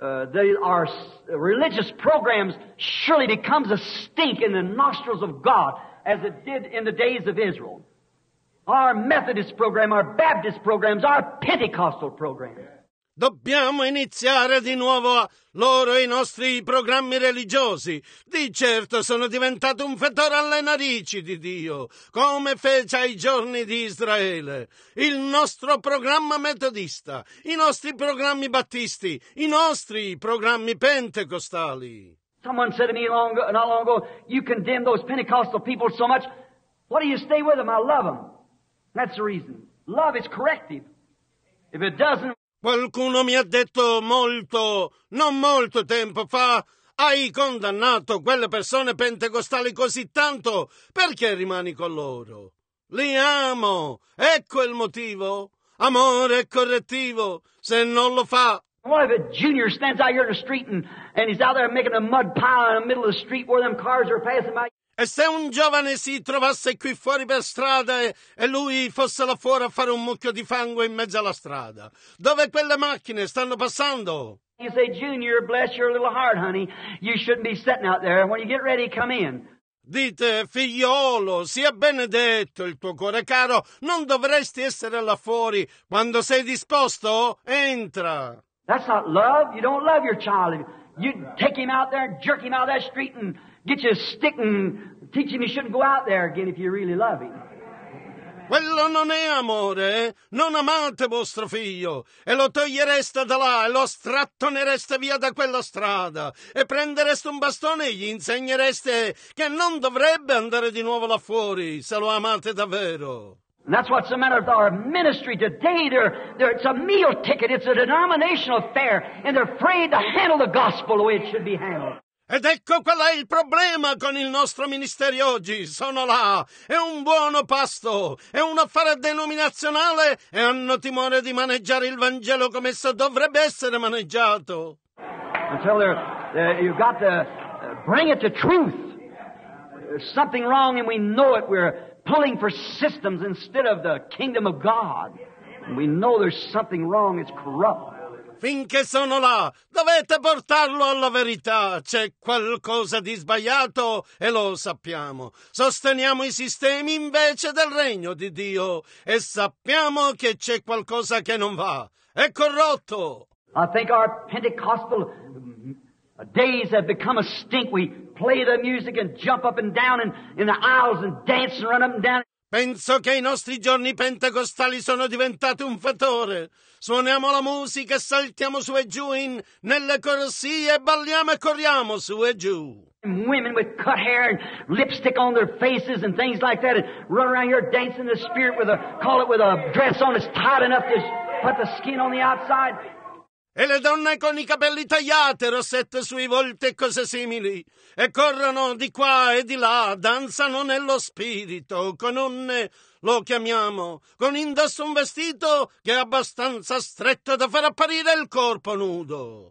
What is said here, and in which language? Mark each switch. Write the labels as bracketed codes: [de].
[en] They are religious programs. Surely becomes a stink in the nostrils of God, as it did in the days of Israel. Our Methodist program, our Baptist programs, our Pentecostal programs. [it] Dobbiamo iniziare di nuovo loro i nostri programmi religiosi. Di certo sono diventato un fetore alle narici di Dio, come fece ai giorni di Israele. Il nostro programma metodista, i nostri programmi battisti, i nostri programmi pentecostali. [en] Someone said to me not long ago, you condemn those Pentecostal people so much. Why do you stay with them? I love them. That's the reason. Love is corrective. If it doesn't... [it] Qualcuno mi ha detto non molto tempo fa, hai condannato quelle persone pentecostali così tanto, perché rimani con loro? Li amo, ecco il motivo, amore è correttivo, se non lo fa. [en] What if a junior stands out here in the street and he's out there making a mud pile in the middle of the street where them cars are passing by? [it] E se un giovane si trovasse qui fuori per strada e lui fosse là fuori a fare un mucchio di fango in mezzo alla strada? Dove quelle macchine stanno passando? [en] You say, Junior, bless your little heart, honey. You shouldn't be sitting out there. When you get ready, come in. [it] Dite, figliolo, sia benedetto il tuo cuore caro. Non dovresti essere là fuori. Quando sei disposto, entra. [en] That's not love. You don't love your child. You take him out there and jerk him out of that street and... Get you a stick and teach him you shouldn't go out there again if you really love him. [it] Quello non è amore. Non amate vostro figlio. E lo togliereste da là e lo strattonereste via da quella strada. E prendereste un bastone e gli insegnereste che non dovrebbe andare di nuovo là fuori se lo amate davvero. [en] And that's what's the matter with our ministry today. They're, it's a meal ticket. It's a denominational affair. And they're afraid to handle the gospel the way it should be handled. [it] Ed ecco qual è il problema con il nostro ministero oggi. Sono là, è un buono pasto, è un affare denominazionale e hanno timore di maneggiare il Vangelo come esso dovrebbe essere maneggiato. [en] Until you've got to bring it to truth. There's something wrong and we know it. We're pulling for systems instead of the kingdom of God. We know there's something wrong, it's corrupt. [it] Finché sono là, dovete portarlo alla verità. C'è qualcosa di sbagliato e lo sappiamo. Sosteniamo i sistemi invece del regno di Dio e sappiamo che c'è qualcosa che non va. È corrotto. [en] I think our Pentecostal days have become a stink. We play the music and jump up and down in the aisles and dance and run up and down. [it] Penso che i nostri giorni pentecostali sono diventati un fetore. Suoniamo la musica e saltiamo su e giù nelle corsie, balliamo e corriamo su e giù. [en] Women with cut hair and lipstick on their faces and things like that, and run around here dancing the spirit with a dress on that's tight enough to put the skin on the outside. [it] E le donne con i capelli tagliati, rossette sui volti e cose simili, e corrono di qua e di là, danzano nello spirito, con un, lo chiamiamo, con indosso un vestito che è abbastanza stretto da far apparire il corpo nudo.